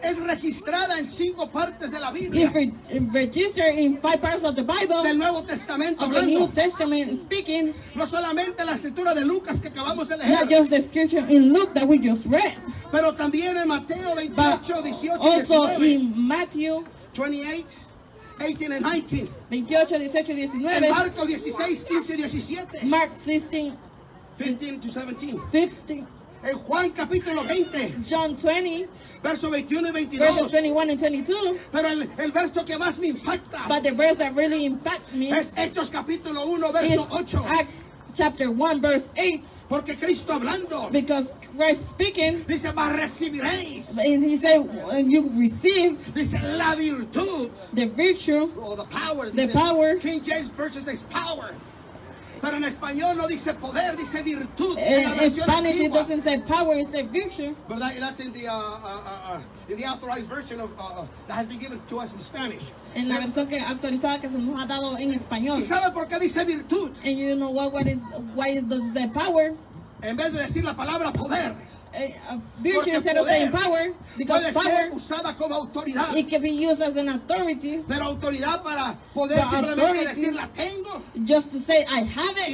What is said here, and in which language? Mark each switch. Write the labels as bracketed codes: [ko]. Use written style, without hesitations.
[es] es registrada en cinco partes de la Biblia. [en] It's registered in five parts of the Bible. [es] Del Nuevo Testamento [en] of [es] hablando. [en] The New Testament speaking. [es] No solamente la escritura de Lucas que acabamos de leer. [en] Not just the scripture in Luke that we just read. [es] Pero también en Mateo 28, [en] but [es] 18 [en] also [es] 19, [en] in Matthew [es] 28:18-19, Marcos 16:15-17, [en] Mark 16:15-17, [es] en Juan capítulo 20, [en] John 20, [es] verso 21 y 22, [en] verses 21 and 22. [es] Pero el verso que más me impacta, [en] but the verse that really impact me, [es] es Hechos capítulo 1 verso 8, [en] Acts chapter 1 verse 8. [es] Porque Cristo hablando, [en] because Christ speaking, [es] dice, mas recibiréis, [en] and he said, and you receive, [es] dice, la virtud, [en] the virtue, or the power, the [es] dice, [en] power, King James Version says power, [es] pero en español no dice poder, dice virtud, [en] in Spanish it doesn't say power, it says virtue, but that's in the in the authorized version of that has been given to us in Spanish. [es] En la versión que actualizada que se nos ha dado en español. ¿Y sabe por qué dice virtud? [en] And you know why does it say power? [es] En vez de decir la palabra poder. [en] Virtue instead of saying power, because power [es] usada como autoridad. [en] It can be used as an authority. [es] Pero autoridad para poder simplemente decir la tengo. [en] Just to say I have it.